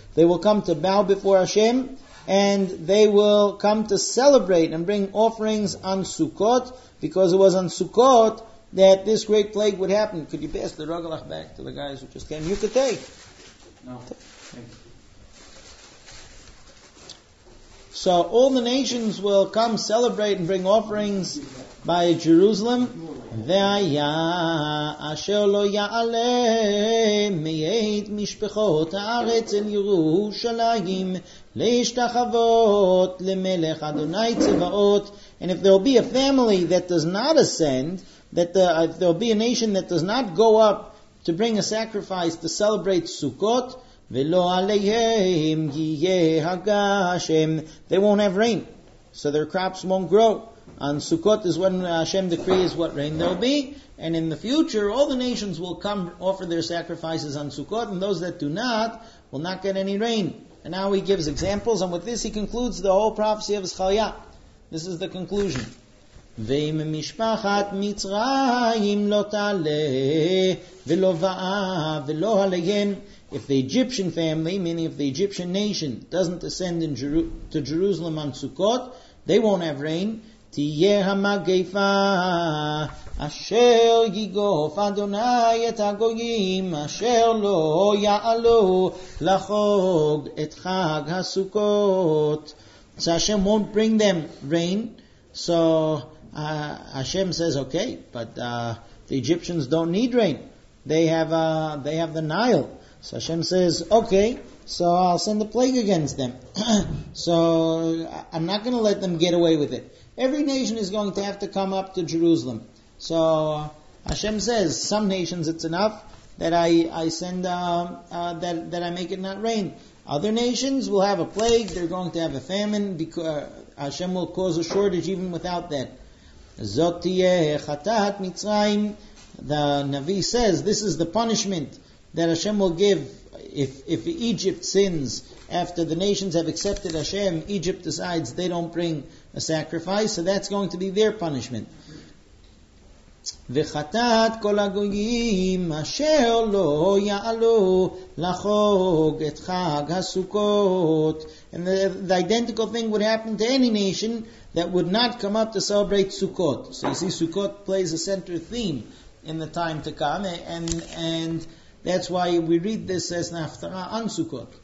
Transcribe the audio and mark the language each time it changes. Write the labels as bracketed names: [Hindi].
[English] They will come to bow before Hashem, and they will come to celebrate and bring offerings on Sukkot, because it was on Sukkot that this great plague would happen. Could you pass the ragalach back to the guys who just came? You could take. No. Thank you. So all the nations will come celebrate and bring offerings by Jerusalem. [Hebrew] והיה אשר לא יעלה מעת משפחות הארץ אל ירושלים להשתחוות למלך אדוני צבאות. [English] And if there will be a family that does not ascend, that the, if there will be a nation that does not go up to bring a sacrifice to celebrate Sukkot, [Hebrew] ולא עליהם יהיה הגשם, [English] they won't have rain, so their crops won't grow. On Sukkot is when Hashem decrees what rain there will be, and in the future all the nations will come offer their sacrifices on Sukkot, and those that do not will not get any rain. And now he gives examples, and with this he concludes the whole prophecy of Hizqiyah. This is the conclusion. [Hebrew] ואם משפחת מצרים לא תעלה ולא באה ולא עליהם, [English] if the Egyptian family, meaning if the Egyptian nation, doesn't ascend in to Jerusalem on Sukkot, they won't have rain. [Hebrew] תהיה המגפה אשר יגוף אדוני את הגויים אשר לא יעלו לחוג את חג הסוכות. [English] So Hashem won't bring them rain. So Hashem says, okay, but the Egyptians don't need rain. They have the Nile. So Hashem says, okay, so I'll send the plague against them. So I'm not going to let them get away with it. Every nation is going to have to come up to Jerusalem. So Hashem says, some nations it's enough that I send that I make it not rain. Other nations will have a plague. They're going to have a famine because Hashem will cause a shortage even without that. [Hebrew] Zot tiyeh chatat Mitzrayim. [English] The Navi says this is the punishment that Hashem will give if Egypt sins after the nations have accepted Hashem. Egypt decides they don't bring a sacrifice, so that's going to be their punishment. [Hebrew] וחטאת כל הגויים אשר לא יעלו לחוג את חג הסוכות. [English] And the identical thing would happen to any nation that would not come up to celebrate Sukkot. So you see, Sukkot plays a center theme in the time to come, and that's why we read this as Naftara on Sukkot.